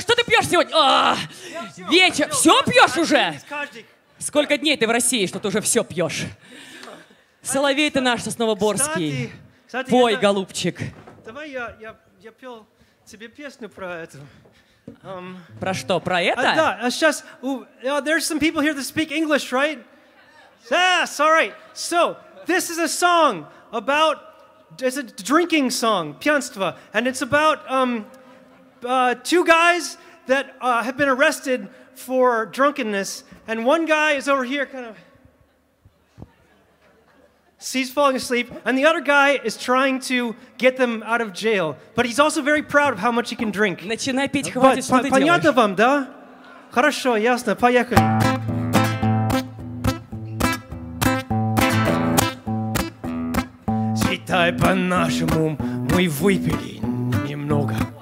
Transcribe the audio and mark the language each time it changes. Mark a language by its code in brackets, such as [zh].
[ru] Что ты пьешь сегодня? Вечер. Все пьешь уже? Сколько дней ты в России, что ты уже все пьешь? Соловей ты наш, Сосновоборский. Кстати, пой, голубчик. Давай я пел тебе песню про это. Про что, про это? Да, сейчас. [en] There's some people here that speak English, right? Yes, all right. So, this is a song about... It's a drinking song, пьянство. And it's about two guys that have been arrested for drunkenness. And one guy is over here, kind of, he's falling asleep, and the other guy is trying to get them out of jail. But he's also very proud of how much he can drink. [ru] Начинай пить, хватит, что ты делаешь. Понятно вам, да? Хорошо, ясно, поехали. Считай по-нашему, мы выпили немного.